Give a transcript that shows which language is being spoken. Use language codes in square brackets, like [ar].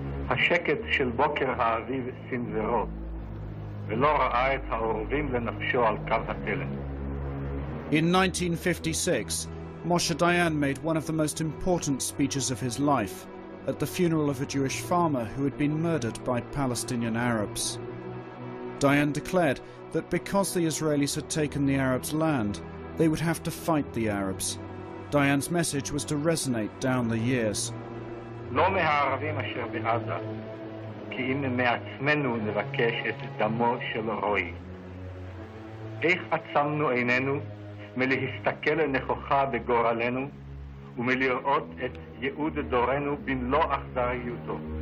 [he] השקט של בוקר האביב סנזרו, ולא ראה את האורבים לנפשו על קו התלם. [en] In 1956, Moshe Dayan made one of the most important speeches of his life at the funeral of a Jewish farmer who had been murdered by Palestinian Arabs. Dayan declared that because the Israelis had taken the Arabs' land, they would have to fight the Arabs. Dayan's message was to resonate down the years. [he] לא מהערבים אשר בעזה, כי אם מעצמנו נבקש את דמו של רוי. איך עצמנו עינינו מלהסתכל נכוחה בגורלנו ומלראות את ייעוד דורנו במלוא אכזריותו.